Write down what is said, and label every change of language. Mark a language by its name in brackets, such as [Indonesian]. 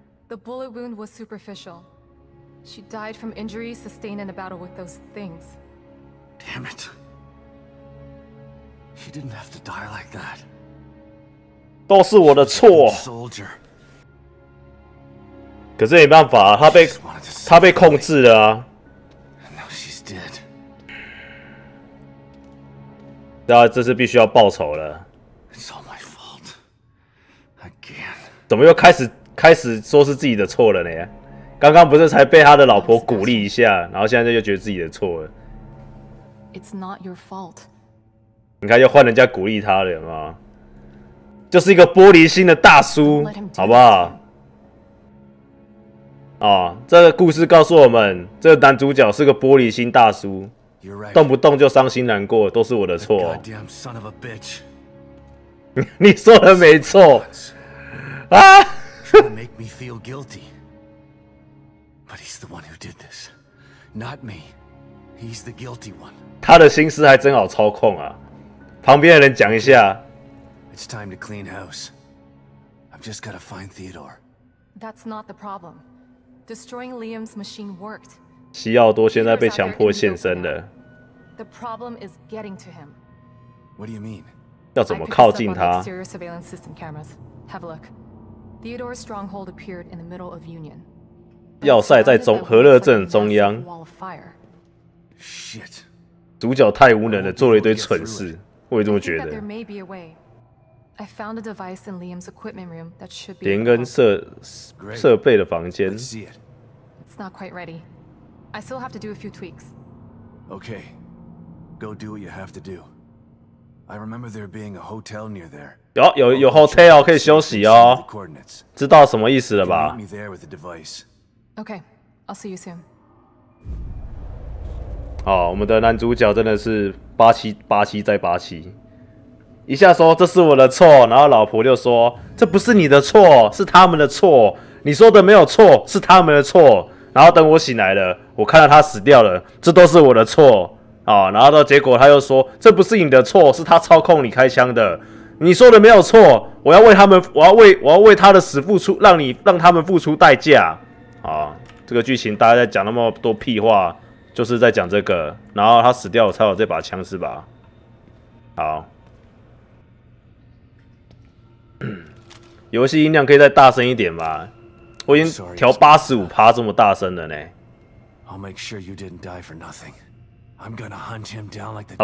[English] The bullet wound was superficial. She died from injuries sustained in a battle with those things. Damn it. She didn't have to die like that. [Chinese] 都是我的错。 [English] Soldier. [Chinese] 可是没办法，她被控制了啊。 [English] And now she's dead. [Chinese] 那这是必须要报仇了。 [English] It's all my fault. Again. [Chinese] 怎么又开始说是自己的错了呢？刚刚不是才被他的老婆鼓励一下，然后现在就觉得自己的错了。 [English] It's not your fault. [Chinese] 你看，又换人家鼓励他了吗？就是一个玻璃心的大叔，好不好？啊、哦，这个故事告诉我们，这个男主角是个玻璃心大叔， [English] You're right. [Chinese] 动不动就伤心难过，都是我的错。 [English] The goddamn son of a bitch. [Chinese] 你说的没错。啊！ [English] Make me feel guilty. But he's the one who did this, not me. He's the guilty one. [Chinese] 他的心思还真好操控啊！旁边的人讲一下。 [English] It's time to clean house. I've just got to find Theodore. That's not the problem. Destroying Liam's machine worked. [Chinese] 西奥多现在被强迫现身了。 [English] The problem is getting to him. What do you mean? [Chinese] 要怎么靠近他 [English] ？I picked up on the exterior surveillance system cameras. Have a look. Theodore's stronghold appeared in the middle of Union. [Chinese] 要塞在中和热镇中央。 [English] Shit！ [Chinese] 主角太无能了，做了一堆蠢事，我也这么觉得。 [English] I found a device in Liam's equipment room that should be. [Chinese] 连根设备的房间。 [English] It's not quite ready. I still have to do a few tweaks. Okay, go do what you have to do. I remember there being a hotel near there. [Chinese] 有 hotel 可以休息哦。知道什么意思了吧 [English] ？Meet me there with the device. Okay, I'll see you soon. [Chinese] 好，我们的男主角真的是八七八七再八七。一下说这是我的错，然后老婆就说这不是你的错，是他们的错。你说的没有错，是他们的错。然后等我醒来了，我看到他死掉了，这都是我的错啊。然后到结果他又说这不是你的错，是他操控你开枪的。你说的没有错，我要为他们，我要为他的死付出，让他们付出代价啊。这个剧情大家在讲那么多屁话，就是在讲这个。然后他死掉，我才有这把枪是吧？好。游戏音量可以再大声一点吗？我已经调85%这么大声了呢。 [English] I'll make sure you didn't die for nothing. I'm gonna hunt him down like the.